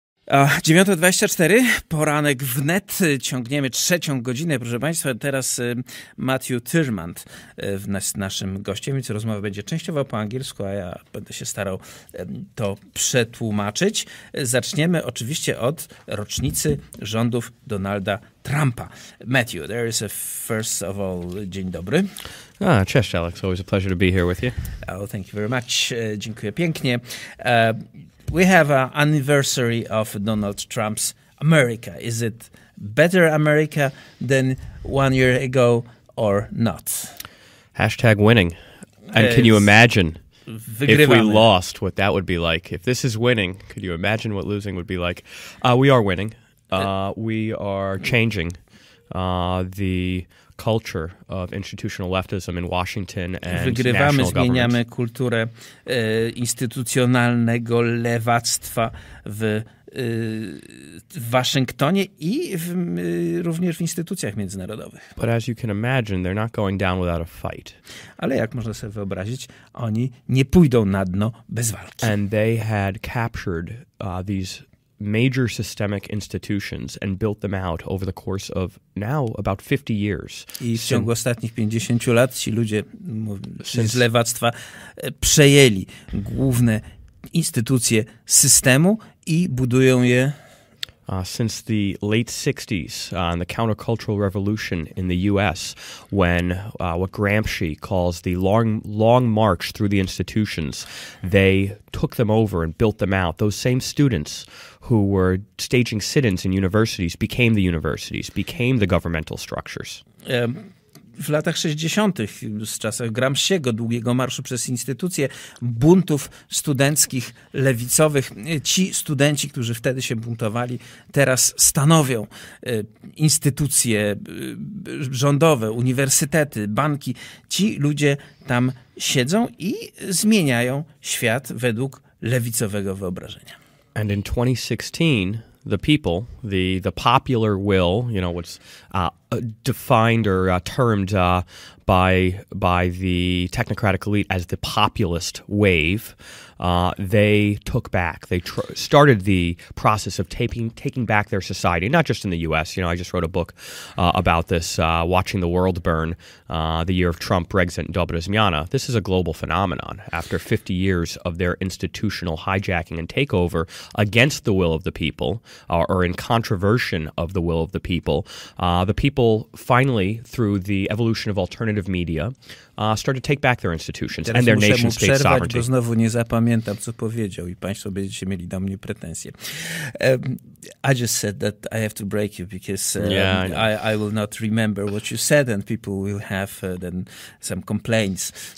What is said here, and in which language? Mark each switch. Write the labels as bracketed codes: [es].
[pl] 9.24, poranek wnet, ciągniemy trzecią godzinę, proszę Państwa, teraz Matthew Tyrmand naszym gościem, więc rozmowa będzie częściowo po angielsku, a ja będę się starał to przetłumaczyć. Zaczniemy oczywiście od rocznicy rządów Donalda Trumpa. [en] Matthew, there is a first of all, [pl] dzień dobry. [en] Ah, [pl] cześć [en] Alex, always a pleasure to be here with you. Oh, thank you very much, [pl] dziękuję pięknie. [en] We have an anniversary of Donald Trump's America. Is it better America than 1 year ago or not? Hashtag winning. And can you imagine if we lost, what that would be like? If this is winning, could you imagine what losing would be like? We are winning. We are changing the culture of institutional leftism in Washington and [pl] wygrywamy, [en] national government. [pl] Zmieniamy kulturę instytucjonalnego lewactwa w Waszyngtonie i również w instytucjach międzynarodowych. [en] But as you can imagine, they're not going down without a fight. [pl] Ale jak można sobie wyobrazić, oni nie pójdą na dno bez walki. [en] And they had captured these major systemic institutions and built them out over the course of now about 50 years. [pl] I w ciągu ostatnich 50 lat ci ludzie z lewactwa przejęli główne instytucje systemu i budują je. [en] Since the late 60s and the countercultural revolution in the U.S., when what Gramsci calls the long march through the institutions, they took them over and built them out. Those same students who were staging sit-ins in universities became the universities, became the governmental structures. [pl] W latach 60. z czasach Gramsciego, długiego marszu przez instytucje, buntów studenckich, lewicowych, ci studenci, którzy wtedy się buntowali, teraz stanowią instytucje rządowe, uniwersytety, banki. Ci ludzie tam siedzą i zmieniają świat według lewicowego wyobrażenia. [en] And in 2016... the people, the popular will, you know, what's defined or termed by the technocratic elite as the populist wave, they took back, they started the process of taking back their society, not just in the U.S. You know, I just wrote a book about this, Watching the World Burn, the year of Trump, Brexit, and Dobra Zmiana. This is a global phenomenon. After 50 years of their institutional hijacking and takeover against the will of the people, or in controversy of the will of the people finally, through the evolution of alternative media, started to take back their institutions [pl] teraz [en] and their nation state [pl] przerwać, [en] sovereignty. [pl] Bo znowu nie zapamiętam, co powiedział i państwo będziecie mieli do mnie pretensje. [en] I just said that I have to break you because I will not remember what you said and people will have then some complaints.